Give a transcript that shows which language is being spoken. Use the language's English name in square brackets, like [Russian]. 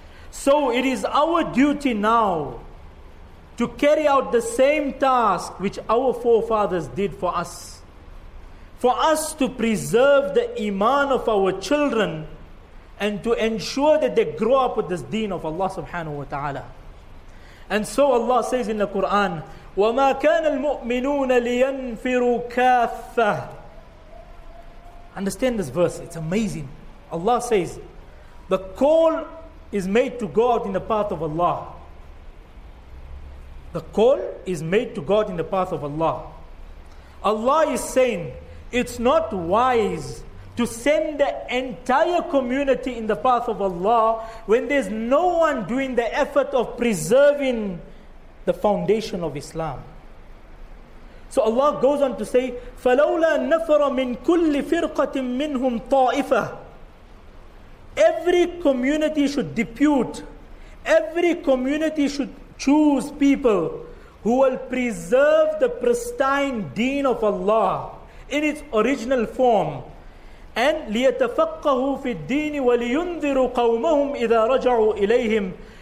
[English] So it is our duty now to carry out the same task which our forefathers did for us. For us to preserve the iman of our children and to ensure that they grow up with this deen of Allah subhanahu wa ta'ala. And so Allah says in the Quran, [Arabic] وما كان المؤمنون لينفروا كافة. [English] Understand this verse, it's amazing. Allah says, the call is made to God in the path of Allah. The call is made to God in the path of Allah. Allah is saying, it's not wise to send the entire community in the path of Allah when there's no one doing the effort of preserving the foundation of Islam. So Allah goes on to say, [Arabic] فَلَوْلَا نَفَرَ مِنْ كُلِّ فِرْقَةٍ مِّنْهُمْ طَائِفَةٍ. [English] Every community should depute, every community should choose people who will preserve the pristine deen of Allah in its original form. [Arabic] And لِيَتَفَقَّهُ فِي الدِّينِ وَلِيُنذِرُوا قَوْمَهُمْ إِذَا رَجَعُوا إِلَيْهِمْ.